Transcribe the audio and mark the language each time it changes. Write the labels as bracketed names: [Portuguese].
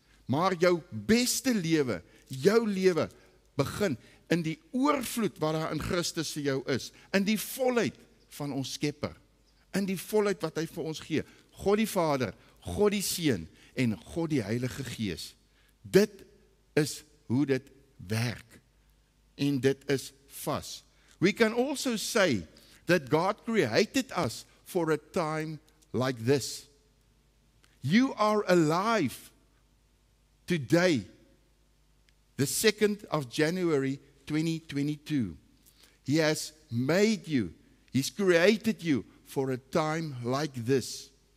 [Afrikaans] Maar jou beste lewe, jou lewe begin in die oorvloed wat daar in Christus vir jou is, in die volheid van ons Skepper, in die volheid wat hy vir ons gee, God die Vader, God die Seun, en God die Heilige Gees. Dit is hoe dit werk, en dit is vas. [English] We can also say that God created us for a time like this. You are alive today, the 2nd of January 2022. He has made you, he's created you for a time like this.